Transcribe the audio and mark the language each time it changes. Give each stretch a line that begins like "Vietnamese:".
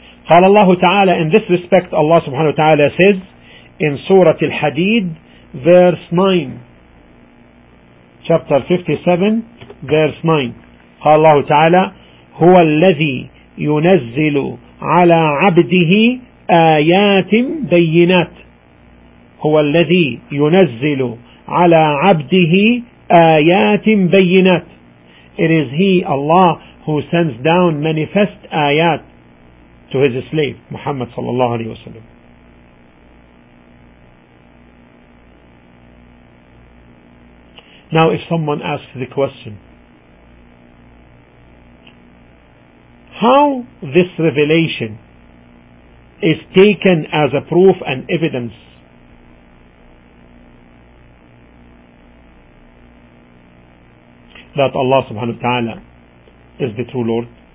Arabic: قال الله تعالى,
English: in this respect Allah subhanahu wa ta'ala says in Surah Al-Hadid verse 9, chapter 57 verse 9,
Arabic: قال الله تعالى, هو الذي ينزل على عبده آيات بينات. هو الذي ينزل على عبده آيات بينات.
English: It is he, Allah, who sends down manifest آيات to his slave Muhammad صلى الله عليه وسلم. Now if someone asks the question, how this revelation is taken as a proof and evidence that Allah subhanahu wa ta'ala is the true Lord?